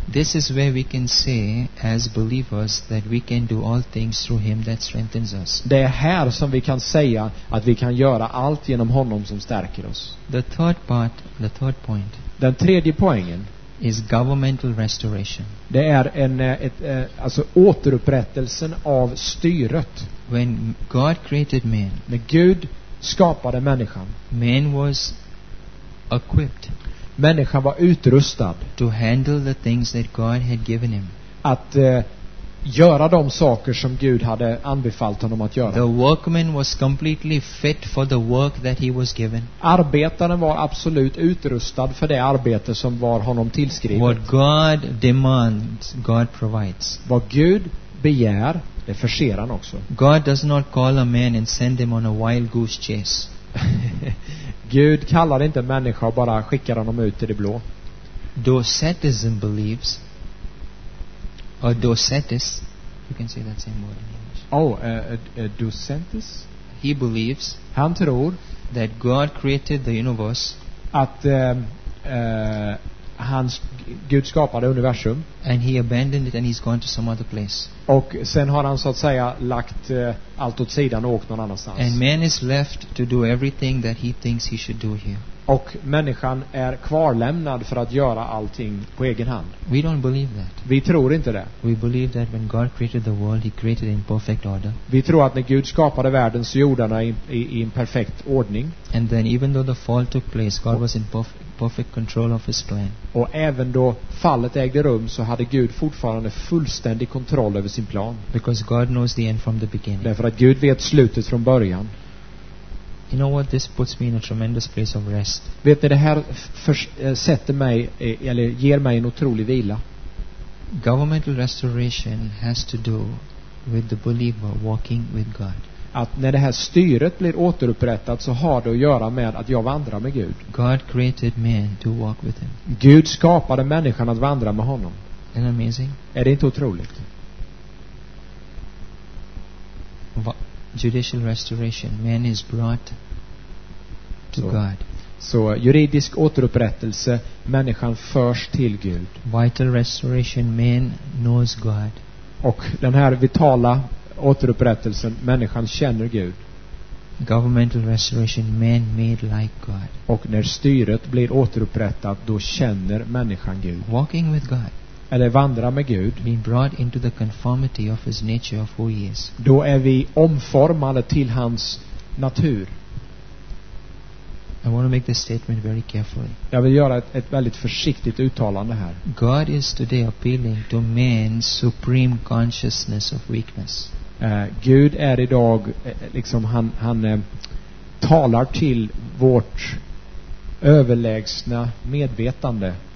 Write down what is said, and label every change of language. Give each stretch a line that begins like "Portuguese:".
English: This is where we can say as believers that we can do all things through him that strengthens us.
Swedish: Det är här som vi kan säga att vi kan göra allt genom honom som stärker oss.
English: The third point.
Swedish: Den tredje poängen
English: is governmental restoration.
Swedish: Det är alltså återupprättelsen av styret.
English: When God created man.
Swedish: När Gud skapade människan.
English: Man was equipped.
Swedish: Människan var utrustad
English: to handle the things that God had given him.
Swedish: Att göra de saker som Gud hade anbefallt honom att göra.
English: The workman was completely fit for the work that he was given.
Swedish: Arbetaren var absolut utrustad för det arbete som var honom tillskrivet.
English: What God demands, God provides.
Swedish: Vad Gud begär, det förser han också.
English: God does not call a man and send him on a wild goose chase.
Swedish: Gud kallar inte människa och bara skickar honom ut i det blå.
English: Docetism believes. Or docetis. You can say that same word in English. Docetis. He believes.
Swedish: Han tror.
English: That God created the universe.
Swedish: Att Gud skapade universum.
English: And he abandoned it and he's gone to some other place.
Swedish: Och sen har han så att säga lagt allt åt sidan och åkt någon annanstans.
English: And man is left to do everything that he thinks he should do here.
Swedish: Och människan är kvarlämnad för att göra allting på egen hand.
English: We don't believe that.
Swedish: Vi tror inte det.
English: We believe that when God created the world, he created in perfect order.
Swedish: Vi tror att när Gud skapade världen så gjorde han i en perfekt ordning.
English: And then even though the fall took place, God was in perfect control of his plan.
Swedish: Och även då fallet ägde rum så hade Gud fortfarande fullständig kontroll över sin plan.
English: Because God knows the end from the beginning.
Swedish: Därför att Gud vet slutet från början.
English: You know what, this puts me in a tremendous place of rest.
Swedish: Vet ni, det här sätter mig eller ger mig en otrolig vila.
English: Governmental restoration has to do with the believer walking with God.
Swedish: att när det här styret blir återupprättat så har det att göra med att jag vandrar med Gud.
English: God created man to walk with him.
Swedish: Gud skapade människan att vandra med honom.
English: Isn't that amazing?
Swedish: Är det inte otroligt?
English: Judicial restoration. Man is brought to God.
Swedish: Så juridisk återupprättelse, människan förs till Gud.
English: Vital restoration, man knows God.
Swedish: Och den här vitala återupprättelsen, människan känner Gud.
English: Governmental restoration, man made like God.
Swedish: Och när styret blir återupprättat, då känner människan Gud.
English: Walking with God.
Swedish: Eller vandra med Gud.
English: Being brought into the conformity of his nature of who he is.
Swedish: Då är vi omformade till hans natur.
English: I want to make this statement very carefully.
Swedish: Jag vill göra ett väldigt försiktigt uttalande här.
English: God is today appealing to man's supreme consciousness of weakness.
Swedish: Gud är idag liksom han talar till vårt överlägsna medvetande.